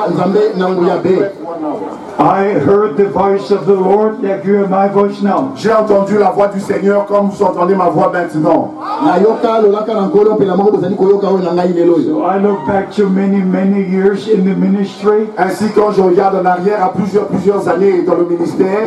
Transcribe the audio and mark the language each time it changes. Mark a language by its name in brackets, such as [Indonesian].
[English] I heard the voice of the Lord like you hear my voice now. [French] J'ai entendu la voix du Seigneur comme vous entendez ma voix maintenant. [English] So I look back to many years in the ministry. [French] Ainsi, quand je regarde en arrière à plusieurs années dans le ministère,